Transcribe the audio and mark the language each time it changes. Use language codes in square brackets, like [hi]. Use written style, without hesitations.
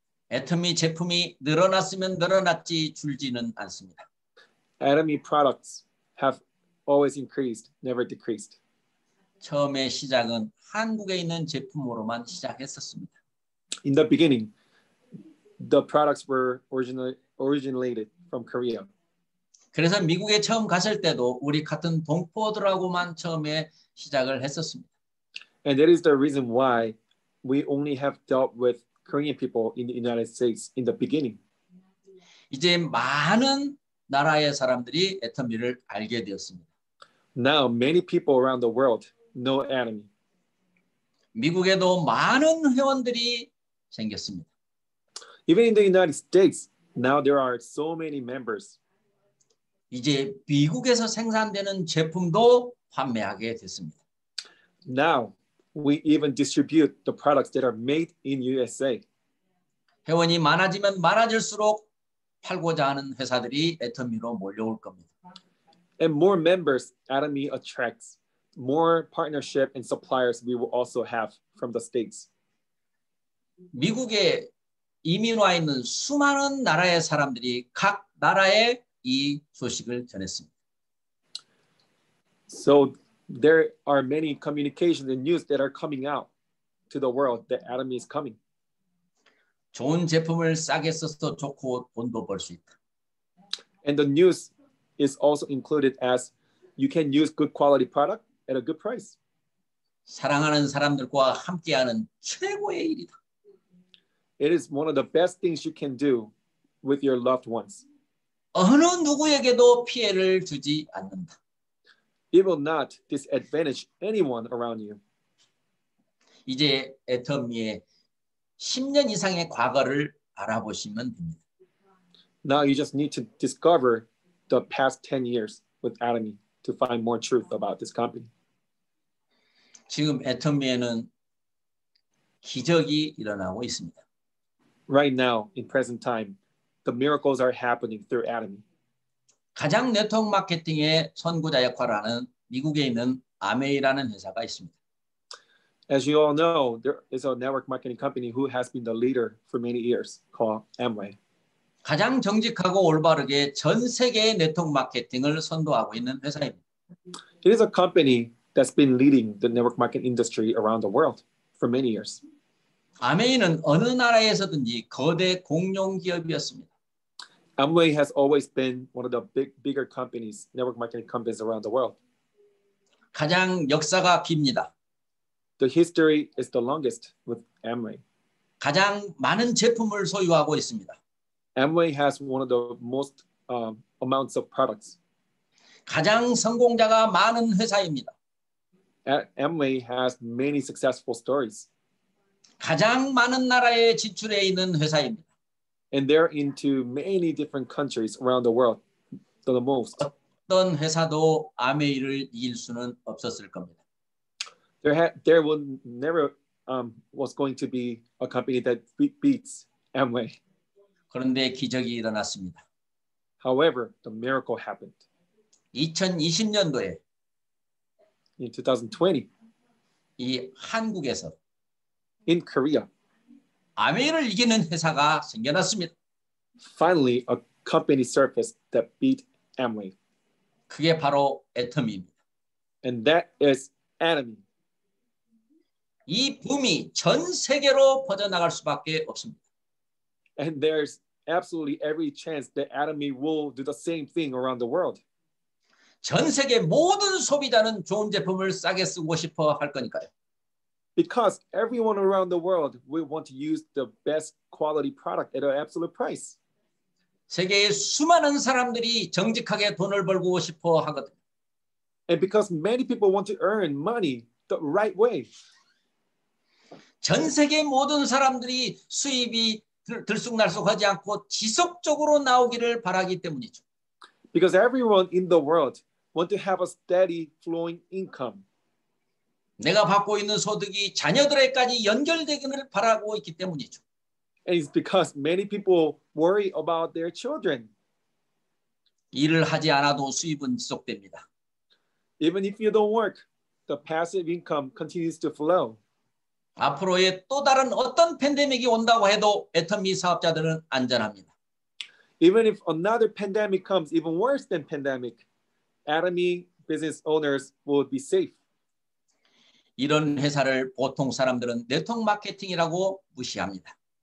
[ko] 애터미 제품이 늘어났으면 늘어났지 줄지는 않습니다. [en] Atomy products have always increased, never decreased. [ko] 처음에 시작은 한국에 있는 제품으로만 시작했었습니다. [en] In the beginning, the products were originated from Korea. [ko] 그래서 미국에 처음 갔을 때도 우리 같은 동포들하고만 처음에 시작을 했었습니다. [en] And that is the reason why we only have dealt with Korean people in the United States in the beginning. [ko] 이제 많은 나라의 사람들이 애터미를 알게 되었습니다. [en] Now many people around the world know Atomy. [ko] 미국에도 많은 회원들이 생겼습니다. [en] Even in the United States, now there are so many members. [ko] 이제 미국에서 생산되는 제품도 판매하게 됐습니다. [en] Now we even distribute the products that are made in USA. [ko] 회원이 많아지면 많아질수록 팔고자 하는 회사들이 애터미로 몰려올 겁니다. [en] And more members Atomy attracts, more partnership and suppliers we will also have from the states. [ko] 미국에 이민 와 있는 수많은 나라의 사람들이 각 나라에 이 소식을 전했습니다. [en] So there are many communications and news that are coming out to the world that Atomy is coming. [ko] 좋은 제품을 싸게 써서 좋고 돈도 벌 수 있다. [en] And the news is also included as you can use good quality product at a good price. [ko] 사랑하는 사람들과 함께하는 최고의 일이다. [en] It is one of the best things you can do with your loved ones. [ko] 어느 누구에게도 피해를 주지 않는다. [en] It will not disadvantage anyone around you. [ko] 이제 애터미의 10년 이상의 과거를 알아보시면 됩니다. [en] Now you just need to discover the past 10 years with Atomy to find more truth about this company. [ko] 지금 애터미에는 기적이 일어나고 있습니다. [en] Right now, in present time, the miracles are happening through Atomy. [ko] 가장 네트워크 마케팅의 선구자 역할을 하는 미국에 있는 아메이라는 회사가 있습니다. [en] As you all know, there is a network marketing company who has been the leader for many years called Amway. [ko] 가장 정직하고 올바르게 전 세계의 네트워크 마케팅을 선도하고 있는 회사입니다. [en] It is a company that's been leading the network marketing industry around the world for many years. [ko] 아메이는 어느 나라에서든지 거대 공룡 기업이었습니다. [en] Amway has always been one of the bigger companies, network marketing companies around the world. [ko] 가장 역사가 깁니다. [en] The history is the longest with Amway. [ko] 가장 많은 제품을 소유하고 있습니다. [en] Amway has one of the most amounts of products. [ko] 가장 성공자가 많은 회사입니다. [en] Amway has many successful stories. [ko] 가장 많은 나라에 진출해 있는 회사입니다. [en] And they're into many different countries around the world, the most. [ko] 어떤 회사도 아메이를 이길 수는 없었을 겁니다. [en] There will never was going to be a company that beats Amway. [ko] 그런데 기적이 일어났습니다. [en] However, the miracle happened. [ko] 2020년도에 [en] in 2020 [ko] 이 한국에서 [en] in Korea [ko] 아메이를 이기는 회사가 생겨났습니다. [en] Finally, a company surfaced that beat Amway. [ko] 그게 바로 애터미입니다. [en] And that is Atomy. [ko] 이 붐이 전 세계로 퍼져나갈 수밖에 없습니다. [en] And there's absolutely every chance that Atomy will do the same thing around the world. [ko] 전 세계 모든 소비자는 좋은 제품을 싸게 쓰고 싶어 할 거니까요. [en] Because everyone around the world will want to use the best quality product at an absolute price. [ko] 세계의 수많은 사람들이 정직하게 돈을 벌고 싶어 하거든요. [en] And because many people want to earn money the right way. [ko] 전 세계 모든 사람들이 수입이 들쑥날쑥하지 않고 지속적으로 나오기를 바라기 때문이죠. [en] Because everyone in the world wants to have a steady flowing income. [ko] 내가 받고 있는 소득이 자녀들에게까지 연결되기를 바라고 있기 때문이죠. [en] And it's because many people worry about their children. [ko] 일을 하지 않아도 수입은 지속됩니다. [en] Even if you don't work, the passive income continues to flow. [ko] 앞으로의 또 다른 어떤 팬데믹이 온다고 해도 애터미 사업자들은 안전합니다. [en] Even if another pandemic comes, even worse than pandemic, Atomy business owners will be safe. [ko] 이런 회사를 보통 사람들은 네트워크 마케팅이라고 무시합니다.